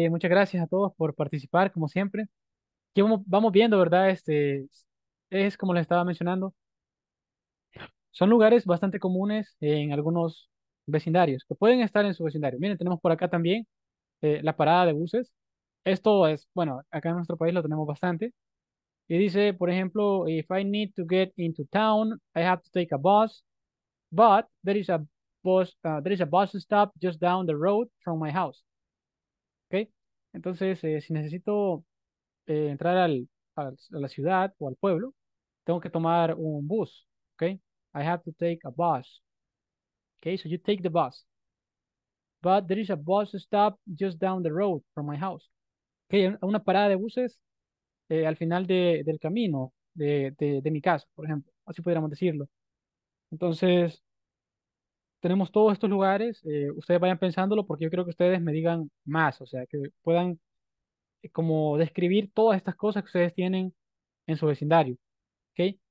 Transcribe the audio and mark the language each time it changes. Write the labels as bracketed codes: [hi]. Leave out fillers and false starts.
[es] Muchas gracias a todos por participar, como siempre. Que vamos viendo, ¿verdad? Es como les estaba mencionando. Son lugares bastante comunes en algunos vecindarios, que pueden estar en su vecindario. Miren, tenemos por acá también la parada de buses. Esto es, bueno, acá en nuestro país lo tenemos bastante. Y dice, por ejemplo, [en] if I need to get into town, I have to take a bus, but there is a bus stop just down the road from my house. Okay? [es] Entonces, si necesito entrar a la ciudad o al pueblo, tengo que tomar un bus. [en] Okay? I have to take a bus. Okay? So you take the bus. But there is a bus stop just down the road from my house. Okay? [es] Una parada de buses al final del camino de mi casa, por ejemplo. Así podríamos decirlo. Entonces, tenemos todos estos lugares. Ustedes vayan pensándolo porque yo creo que ustedes me digan más. O sea, que puedan como describir todas estas cosas que ustedes tienen en su vecindario. ¿Okay?